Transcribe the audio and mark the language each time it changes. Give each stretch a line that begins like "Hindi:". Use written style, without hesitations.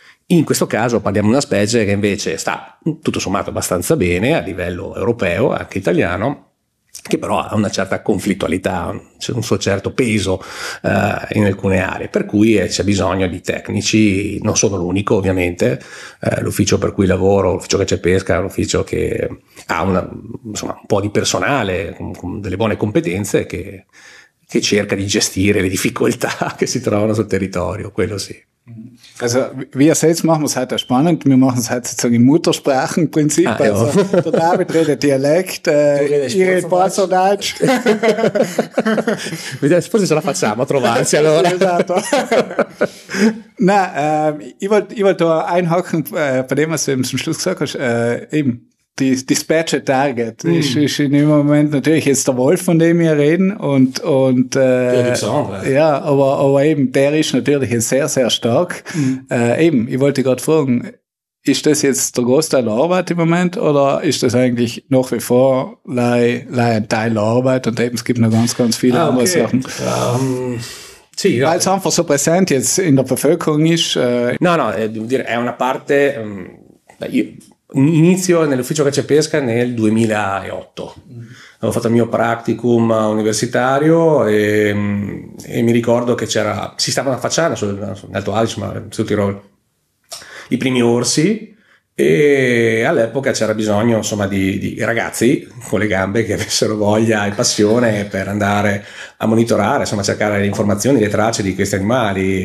Italian: In questo caso parliamo di una specie che invece sta tutto sommato abbastanza bene a livello europeo, anche italiano, che però ha una certa conflittualità, c'è un suo certo peso in alcune aree, per cui c'è bisogno di tecnici, non sono l'unico ovviamente, l'ufficio per cui lavoro, l'ufficio che c'è pesca, è un ufficio che ha un po' di personale, con delle buone competenze, che cerca di gestire le difficoltà che si trovano sul territorio, quello sì.
German: Also, wie ihr seht, machen wir es heute spannend. Wir machen es heute sozusagen im Muttersprachenprinzip. Ah, also, der David redet Dialekt, ich rede Portodeutsch.
Italian: Forse ce la facciamo a trovarsi allora. Esatto.
German: Ich wollte da einhaken bei dem, was du eben zum Schluss gesagt hast. Die Special Target ist in dem Moment natürlich jetzt der Wolf, von dem wir reden, und ja, aber eben, der ist natürlich jetzt sehr, sehr stark. Ich wollte gerade fragen, ist das jetzt der Großteil der Arbeit im Moment oder ist das eigentlich nach wie vor ein Teil der Arbeit und eben, es gibt noch ganz, ganz viele andere Sachen. Weil es einfach so präsent jetzt in der Bevölkerung ist.
Italian: Devo dire, è una parte... Inizio nell'ufficio caccia e pesca nel 2008. Avevo fatto il mio practicum universitario e mi ricordo che si stavano affacciando sul Alto Adige, ma sul Tirol, i primi orsi, e all'epoca c'era bisogno insomma di ragazzi con le gambe che avessero voglia e passione per andare a monitorare, insomma a cercare le informazioni, le tracce di questi animali.